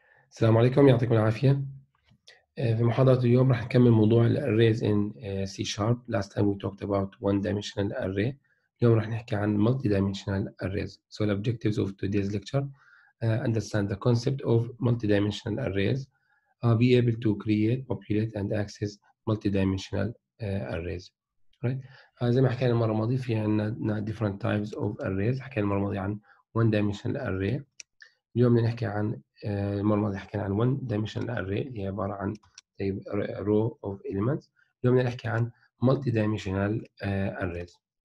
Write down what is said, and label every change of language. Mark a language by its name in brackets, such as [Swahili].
[Arabic] السلام عليكم، يعطيكم العافية. في محاضرة اليوم راح نكمل موضوع الـ Arrays in C Sharp. [English] Last time we talked about one dimensional array. [Arabic] اليوم راح نحكي عن [English] multi dimensional arrays. So the objectives of today's lecture understand the concept of multi dimensional arrays. Be able to create, populate and access multi dimensional arrays. Right? [Arabic] زي ما حكينا المرة الماضية في عندنا [English] different types of arrays. [Arabic] حكينا المرة الماضية عن one dimensional array. اليوم بدنا نحكي عن المرة الماضية حكينا عن one dimensional array اللي هي عبارة عن [English] row of elements. [Arabic] اليوم بدنا نحكي عن multi dimensional arrays.